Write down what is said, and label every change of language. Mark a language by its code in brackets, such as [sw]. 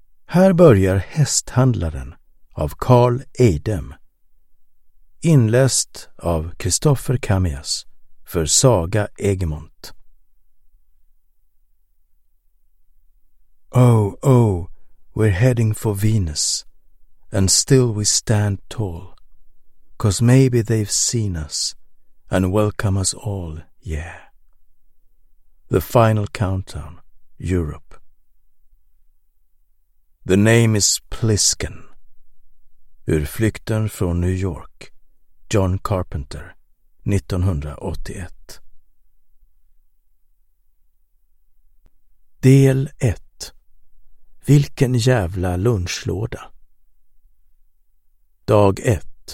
[sv] Här börjar hästhandlaren av Carl Eidem. Inläst av Kristoffer Kamias för Saga Egmont. [en] Oh, oh, we're heading for Venus, and still we stand tall, 'cause maybe they've seen us and welcome us all, yeah. The final countdown, Europe. The name is Plisken. [sv] Ur flykten från New York, John Carpenter, 1981. Del 1. Vilken jävla lunchlåda. Dag 1.